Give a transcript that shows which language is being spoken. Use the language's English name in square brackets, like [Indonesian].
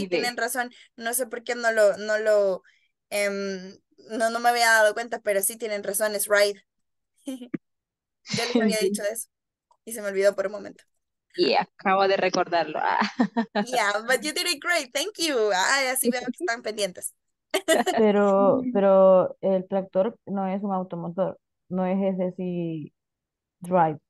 [Spanish] Sí, tienen razón, no sé por qué no lo no me había dado cuenta, pero sí tienen razón, es ride. Ya les había dicho eso y se me olvidó por un momento. Y yeah, acabo de recordarlo. [English] Yeah, but you did it great, thank you. [Spanish] Ay, así veo que están pendientes. pero el tractor no es un automotor, no es ese, sí, drive.